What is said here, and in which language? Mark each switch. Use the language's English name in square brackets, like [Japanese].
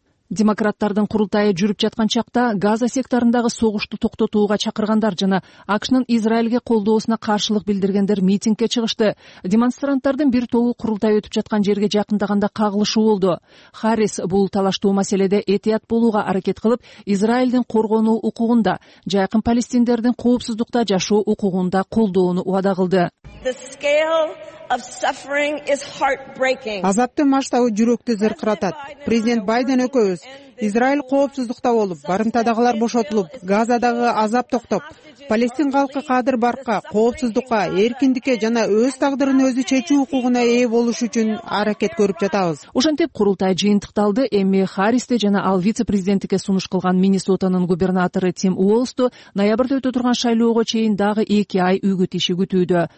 [Kyrgyz] Демократтардын курултайы жүрүп жаткан чакта Газа секторундагы согушту токтотууга чакыргандар жана АКШнын Израилге колдоосуна каршылык билдиргендер митингке чыгышты. Демонстранттардын бир тобу курултай өтүп жаткан жерге жакындаганда кагылышуу болду. Харрис бул талаштуу маселеде этият болууга аракет кылып, Израилдин коргонуу укугунда, жакын палестиндердин коопсуздукта жашоо укугунда колдоону убада кылды. [English] Of suffering is heartbreaking. [Kyrgyz] Азаптын масштабы жүрөктү зыркыратат. Президент Байден экөөбүз Израиль коопсуздукта болуп, барымтадагылар бошотулуп, Газадагы азап токтоп, Палестин халкы кадыр баркка, коопсуздукка, эркиндикке жана өз тагдырын өзү чечүү укугуна ээ болуш үчүн аракет көрүп жатабыз. Ошентип курултай жыйынтыкталды. Эми Харристе жана ал вице-президенттикке сунуш кылган Миннесотанын губернатору Тим Уолсту ноябрда өтө турган шайлоого чейин дагы 2 ай үгүт иши күтүүдө.